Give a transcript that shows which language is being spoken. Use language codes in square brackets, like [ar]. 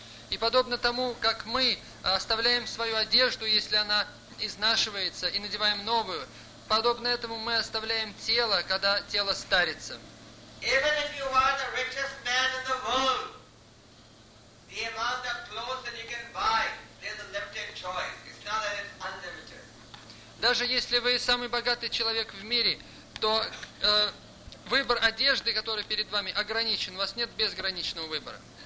[ru] И подобно тому, как мы оставляем свою одежду, если она изнашивается, и надеваем новую, подобно этому мы оставляем тело, когда тело старится. [en] Even if you are the richest man in the world, the amount of clothes that you can buy, there's a limited choice. It's not that it's unlimited. [ru] Даже если вы самый богатый человек в мире, то выбор одежды, который перед вами, ограничен. У вас нет безграничного выбора.